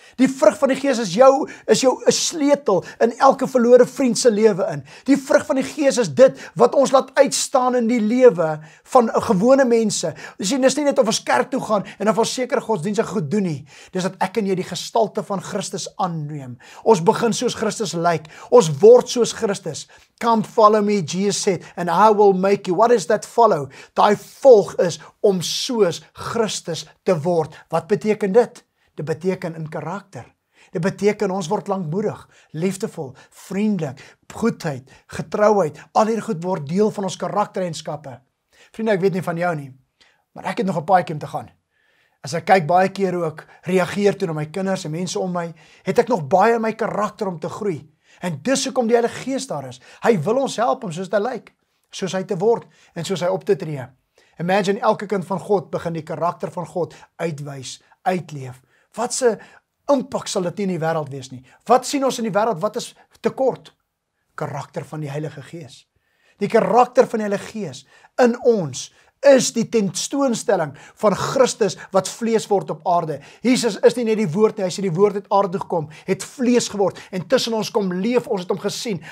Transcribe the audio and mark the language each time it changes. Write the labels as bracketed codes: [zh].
[af] Die vrug van die Gees is jou 'n sleutel in elke verlore vriend se lewe in. Die vrug van die Gees is dit wat ons laat uitstaan in die lewe van gewone mense. Dis nie net of ons kerk toe gaan en of ons sekere godsdienste goed doen nie. Dis dat ek en jy die gestalte van Christus aanneem. Ons begin soos Christus lyk. Ons word soos Christus. [en] Come follow me, Jesus said, and I will make you. What is that follow? [af] Daai volg is om soos Christus te word. Wat beteken dit? Dit beteken in karakter. Dit beteken ons word lankmoedig, liefdevol, vriendelik, goedheid, getrouheid. Al hierdie goed word deel van ons karaktereienskappe. Vriende, ek weet nie van jou nie, maar ek het nog 'n paadjie om te gaan. As ek kyk baie keer hoe ek reageer toe na my kinders en mense om my, het ek nog baie in my karakter om te groei. En dis hoekom die Heilige Gees daar is. Hy wil ons help om soos hy lyk, soos hy te word en soos hy op te tree. Imagine elke kind van God begin die karakter van God uitwys, uitleef. Wat se impak sal dit nie in die wêreld wees nie? Wat sien ons in die wêreld? Wat is tekort? Karakter van die Heilige Gees. Die karakter van die Heilige Gees in ons is die tentoonstelling van Christus wat vlees word op aarde. Jesus is nie net die woord nie, hy sê die woord het aarde gekom, het vlees geword en tussen ons kom leef, ons het hom gesien.